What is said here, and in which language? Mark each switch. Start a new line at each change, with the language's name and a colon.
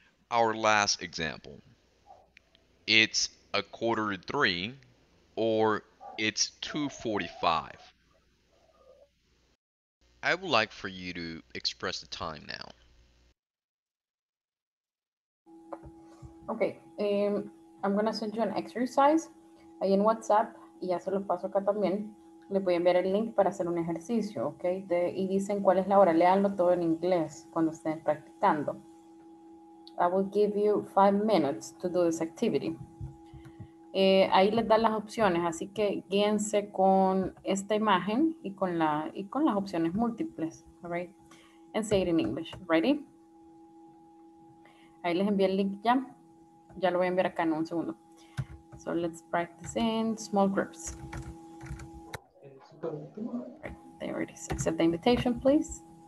English: Our last example, it's 2:45, or it's 2:45. I would like for you to express the time now. Okay, I'm going to send you an exercise.
Spanish: Ahí en WhatsApp, y ya se los paso acá también, le voy a enviar el link para hacer un ejercicio,
English: okay?
Spanish: De, y dicen cuál es la hora. Leanlo todo en inglés cuando estén practicando.
English: I will give you 5 minutes to do this activity.
Spanish: Ahí les dan las opciones, así que guíense con esta imagen y con la y con las opciones múltiples,
English: all right? And say it in English, ready?
Spanish: Ahí les envié el link ya, ya lo voy a enviar acá en un segundo.
English: So let's practice in small groups. Right, there it is, accept the invitation, please.